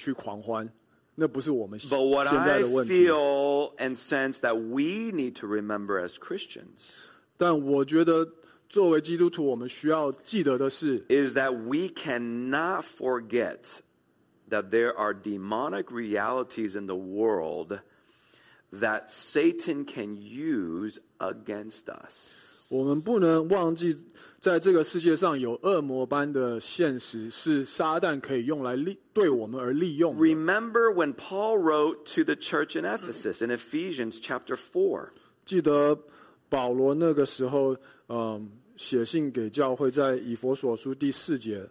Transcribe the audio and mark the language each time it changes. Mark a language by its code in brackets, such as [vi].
[zh] 所以在今天这个日子我们不会到一个异教徒的这个寺庙跟他们一起去狂欢。那不是我们现在的问题。 [en] But what I feel and sense that we need to remember as Christians, [zh] 但我觉得 作为基督徒我们需要记得的是, [en] is that we cannot forget that there are demonic realities in the world that Satan can use against us. [zh] 我们不能忘记在这个世界上有恶魔般的现实是撒旦可以用来对我们而利用的。Remember [en] when Paul wrote to the church in Ephesus in Ephesians chapter 4. [zh] 记得保罗那个时候 写信给教会在以弗所书第四节